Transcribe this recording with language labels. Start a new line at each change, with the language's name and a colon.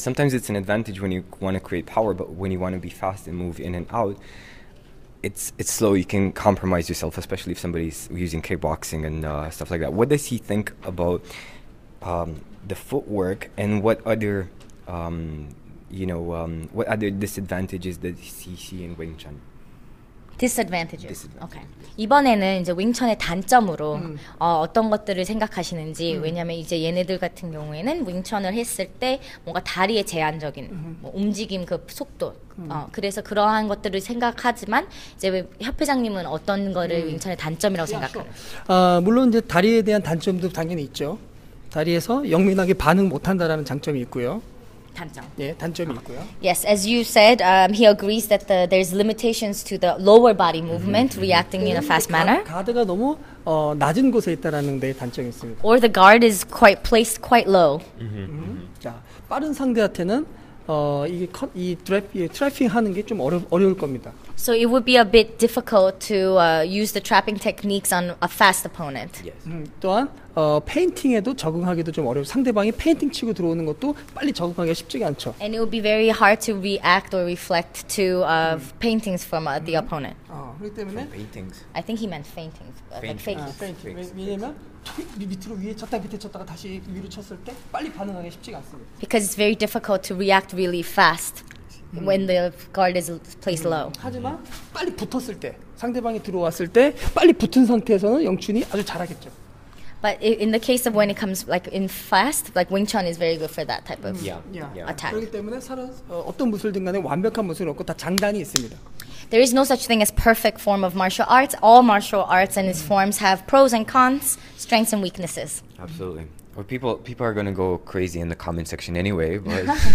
English: Sometimes it's an advantage when you want to create power, but when you want to be fast and move in and out, it's slow. You can compromise yourself, especially if somebody's using kickboxing and stuff like that. What does he think about the footwork, and what other what other disadvantages does he see in Wing Chun? Disadvantages. Okay.
Korean: 이번에는 이제 윙천의 단점으로 어떤 것들을 생각하시는지. 왜냐하면 이제 얘네들 같은 경우에는 윙천을 했을 때 뭔가 다리의 제한적인 뭐 움직임 그 속도. 그래서 그러한 것들을 생각하지만 이제 협회장님은 어떤 거를 윙천의 단점이라고 생각하세요? 물론 이제 다리에 대한 단점도 당연히 있죠. 다리에서 영민하게 반응 못한다라는 장점이 있고요. 단점이 있고요.
English: Yes, as you said, he agrees that there's limitations to the lower body movement reacting in a fast manner.
Korean: 가드가 너무 낮은 곳에 있다라는 데 단점이 있습니다.
English: Or the guard is quite placed quite low.
Korean: 자, 빠른 상대한테는 트래핑 하는 게 좀 어려울 겁니다.
English: So it would be a bit difficult to use the trapping techniques on a fast opponent. Yes.
Korean: 또한 페인팅에도 적응하기도 좀 어려워. 상대방이 페인팅 치고 들어오는 것도 빨리 적응하기가 쉽지가 않죠.
English: And it would be very hard to react or reflect to paintings from the opponent.
Korean: 그렇기 때문에
English: paintings. I think he meant faintings. Faintings. Because it's very difficult to react really fast when the guard is placed low.
Korean: 하지만 빨리 붙었을 때, 상대방이 들어왔을 때 빨리 붙은 상태에서는 영춘이 아주 잘하겠죠.
English: But in the case of when it comes like in fast, like Wing Chun is very good for that type of attack.
Korean: 그렇기 때문에 어떤 무술든 간에 완벽한 무술은 없고 다 장단이 있습니다.
English: There is no such thing as perfect form of martial arts. All martial arts and its forms have pros and cons, strengths and weaknesses. Absolutely. Well, people are going to go crazy in the comment section anyway, but